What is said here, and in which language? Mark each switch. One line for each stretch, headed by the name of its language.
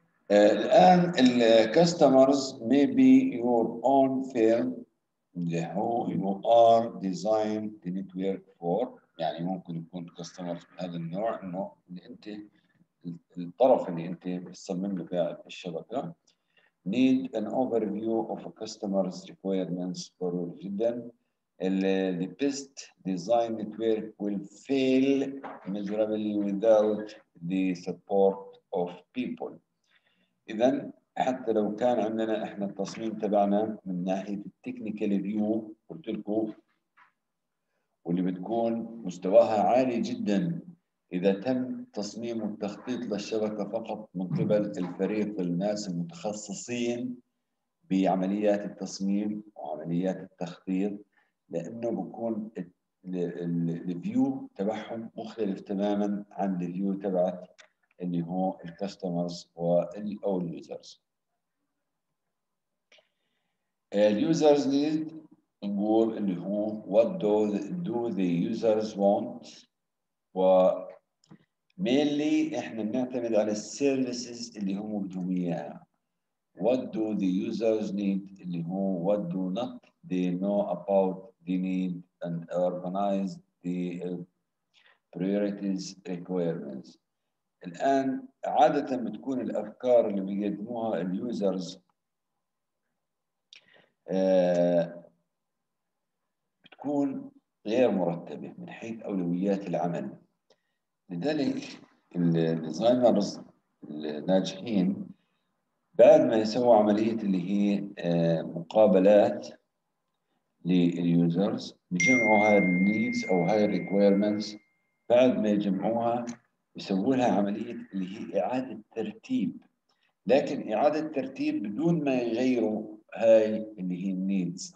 Arabic: الان الكاستمرز
English: may be your own firm who you are designing the network for،
Arabic: يعني ممكن يكون كاستمرز بهذا النوع انه انت الطرف اللي انت بتصمم له الشبكه.
English: need an overview of a customer's requirements
Arabic: ضروري جدا.
English: the best design network will fail miserably without the support of people.
Arabic: اذا حتى لو كان عندنا احنا التصميم تبعنا من ناحيه التكنيكال فيو قلت لكم واللي بتكون مستواها عالي جدا، اذا تم تصميم والتخطيط للشبكه فقط من قبل الفريق الناس المتخصصين بعمليات التصميم وعمليات التخطيط، لانه بكون الفيو تبعهم مختلف تماما عن الفيو تبعت اللي هو الكاستمرز او اليوزرز. اليوزرز نيد نقول اللي هو
English: what do the users want،
Arabic: و mainly احنا نعتمد على السيرفيسز اللي هم بدهم اياها.
English: What do the users need
Arabic: اللي هو
English: what do not they know about the need and organize the priorities requirements.
Arabic: الآن عادة بتكون الأفكار اللي بيقدموها اليوزرز بتكون غير مرتبة من حيث أولويات العمل. لذلك الديزاينرز الناجحين بعد ما يسووا عملية اللي هي مقابلات لليوزرز بيجمعوا هاي النيدز أو هاي الريكويرمنتس، بعد ما يجمعوها يسووا لها عملية اللي هي إعادة ترتيب، لكن إعادة ترتيب بدون ما يغيروا هاي اللي هي النيدز.